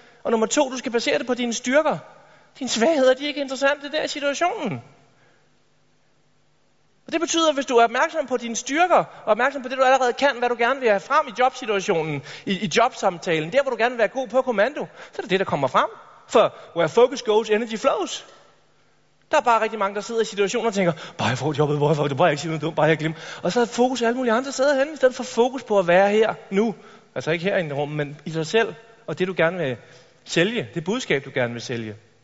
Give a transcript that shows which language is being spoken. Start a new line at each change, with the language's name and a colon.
Danish: Og nummer 2, du skal basere det på dine styrker. Dine svagheder, de er ikke interessante der i situationen. Og det betyder, at hvis du er opmærksom på dine styrker, og opmærksom på det, du allerede kan, hvad du gerne vil have frem i jobsituationen, i jobsamtalen, der hvor du gerne vil være god på kommando, så er det det, der kommer frem.
English: For where focus goes, energy flows.
Danish: Der er bare rigtig mange, der sidder i situationer og tænker, bare jeg får jobbet, hvorfor det, bare jeg ikke siger noget, bare jeg glemmer. Og så er fokus i alle mulige andre steder hen, i stedet for fokus på at være her nu. Altså ikke her i rummet, men i sig selv, og det du gerne vil sælge, det budskab, du gerne vil sælge.